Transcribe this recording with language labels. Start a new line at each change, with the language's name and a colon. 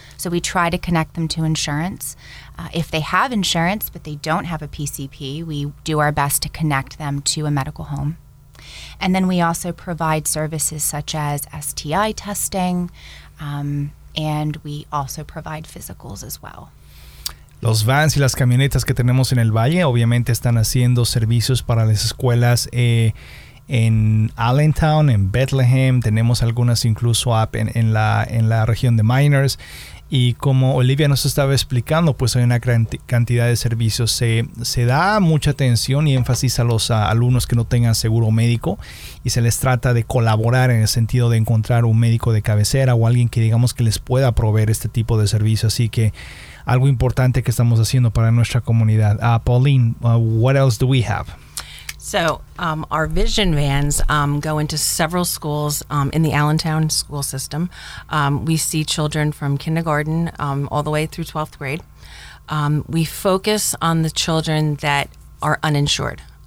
English: So we try to connect them to insurance. If they have insurance but they don't have a PCP, we do our best to connect them to a medical home. And then we also provide services such as STI testing, and we also provide physicals as well.
Spanish: Los vans y las camionetas que tenemos en el Valle obviamente están haciendo servicios para las escuelas en Allentown, en Bethlehem. Tenemos algunas incluso en la región de Miners. Y como Olivia nos estaba explicando, pues hay una gran cantidad de servicios. Se da mucha atención y énfasis a los alumnos que no tengan seguro médico, y se les trata de colaborar en el sentido de encontrar un médico de cabecera o alguien que digamos que les pueda proveer este tipo de servicio. Así que algo importante que estamos haciendo para nuestra comunidad.
English: Pauline, what else do we have? So our vision vans go into several schools in the Allentown school system. We see children from kindergarten all the way through 12th grade. We focus on the children that are uninsured.